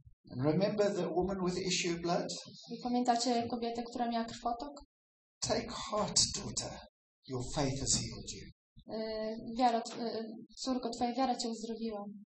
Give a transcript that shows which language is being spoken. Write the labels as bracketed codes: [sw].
[en] And remember the woman with the issue of blood? [pl] I pamiętacie kobietę, która miała krwotok? [en] Take heart, daughter, your faith has healed you. [pl] Wiara, córko, twoja wiara cię uzdrowiła.